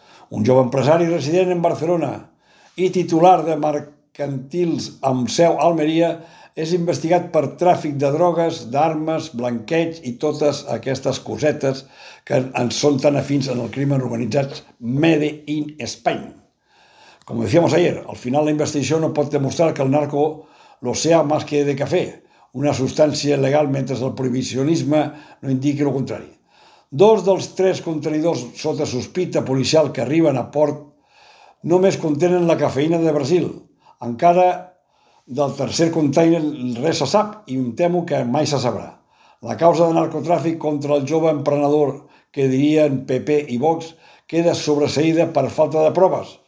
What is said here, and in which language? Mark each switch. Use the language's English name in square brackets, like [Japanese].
[Catalan] Un jove empresari resident en Barcelona i titular de mercantils amb seu a Almeria és investigat per tràfic de drogues, d'armes, blanqueig i totes aquestes cosetes que ens són tan afins en el crimen organitzat Made in Spain. [Spanish] Como decíamos ayer, al final la investigación no puede demostrar que el narco lo sea más que de café, una sustancia legal, mientras el prohibicionismo no indique lo contrario. [Catalan] 2 dels 3 contenidors sota sospita policial que arriben a port només contenen la cafeïna de Brasil. Encara del tercer container res se sap i em temo que mai se sabrà. La causa de narcotràfic contra el jove emprenedor, que dirien PP i Vox, queda sobreseïda per falta de proves.